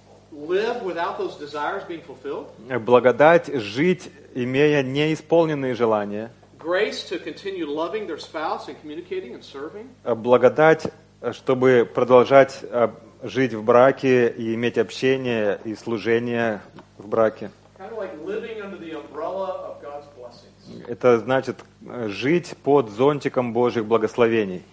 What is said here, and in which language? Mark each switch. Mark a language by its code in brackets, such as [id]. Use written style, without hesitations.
[ru] Благодать жить, имея неисполненные желания. [en] Grace to continue loving their spouse and communicating and serving. [ru] Благодать, чтобы продолжать жить в браке и иметь общение и служение в браке. [en] Kind of like living under the umbrella of God's blessings. [ru] Это значит жить под зонтиком Божьих благословений.